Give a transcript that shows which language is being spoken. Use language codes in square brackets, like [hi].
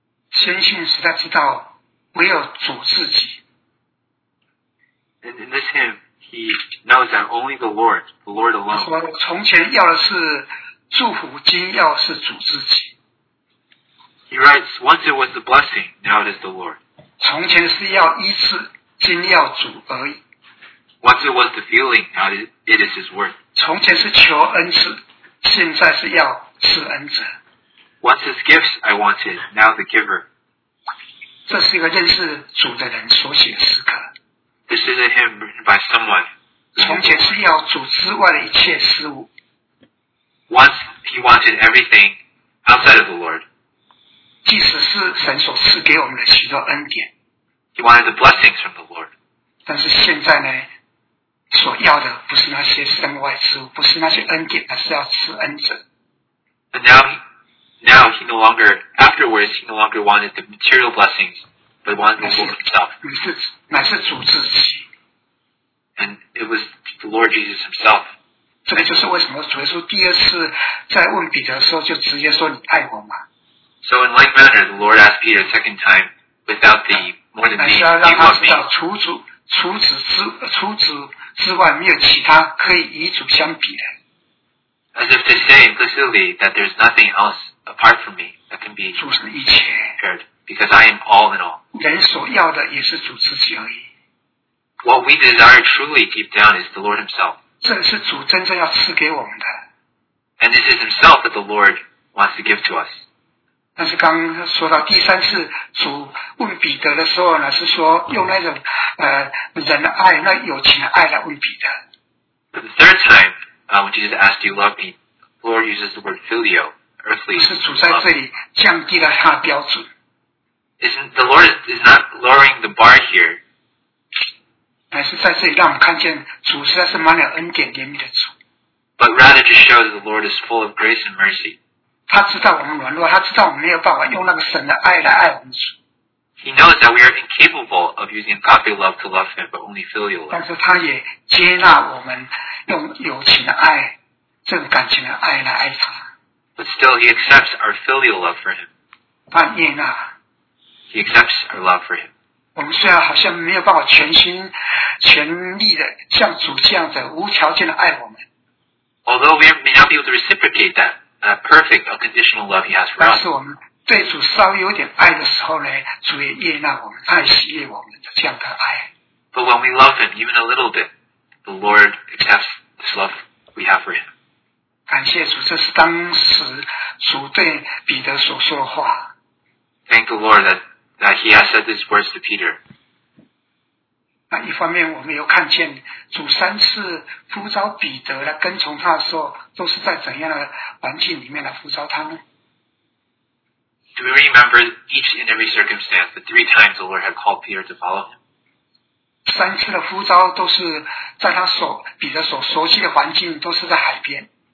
[zh] 先信实在知道唯有主自己。 [en] And in this hymn, he knows that only the Lord alone. [zh] 从前要的是祝福，今要是主自己。 [en] He writes, once it was the blessing, now it is the Lord. [zh] 从前是要医治，今要主而已。 [en] Once it was the feeling, now it is his word. [zh] 从前是求恩赐，现在是要赐恩者。 [en] Once his gifts I wanted, now the giver. [zh] 这是一个认识主的人所写的诗歌。 [en] This is a hymn written by someone. [zh] 从前是要主之外的一切事物。 [en] Once he wanted everything outside of the Lord. [zh] 即使是神所赐给我们的许多恩典 [en] He wanted the blessings from the Lord. [zh] 但是现在呢所要的不是那些身外之物不是那些恩典而是要赐恩者 [en] And now he no longer afterwards he no longer wanted the material blessings but wanted the Lord himself. [zh] 乃是主自己 [en] And it was the Lord Jesus himself. [zh] 这个就是为什么主耶稣第二次在问彼得的时候就直接说你爱我吗 [en] So in like manner, the Lord asked Peter a second time, without the more than me, do you love me? [zh] 除此之外没有其他可以与主相比的。 [en] As if to say implicitly that there's nothing else apart from me that can be compared, because I am all in all. [zh] 人所要的也是主自己而已。 [en] What we desire truly deep down is the Lord himself. [zh] 这是主真正要赐给我们的。 [en] And this is himself that the Lord wants to give to us. [zh] 但是刚说到第三次主问彼得的时候呢，是说用那种人的爱、那友情的爱来问彼得。 [en] For the third time, when Jesus asks, "Do you love me?" the Lord uses the word filio, earthly love. [zh] 是主在这里降低了他的标准。 [en] The Lord is not lowering the bar here. [zh] 乃是在这里让我们看见主实在是满了恩典怜悯的主。 [en] But rather to show that the Lord is full of grace and mercy. [zh] 他知道我们软弱，他知道我们没有办法用那个神的爱来爱我们主。 [en] He knows that we are incapable of using agape love to love him, but only filial love. [zh] 但是他也接纳我们用友情的爱，这种感情的爱来爱他。 [en] But still, he accepts our filial love for him. [zh] 他接纳。 [en] He accepts our love for him. [zh] 我们虽然好像没有办法全心全力的像主这样子无条件的爱我们。 [en] Although we may not be able to reciprocate that perfect, unconditional love he has for us. [zh] 但是我们对主稍微有点爱的时候呢，主也接纳我们，他也喜悦我们的这样的爱。 [en] But when we love him even a little bit, the Lord accepts this love we have for him. [zh] 感谢主，这是当时主对彼得所说的话。 [en] Thank the Lord that he has said these words to Peter. [zh] 那一方面，我们又看见主三次呼召彼得来跟从他的时候，都是在怎样的环境里面来呼召他呢？ [en] Do we remember each and every circumstance, the three times the Lord had called Peter to follow him? [zh] 三次的呼召都是在他所彼得所熟悉的环境，都是在海边。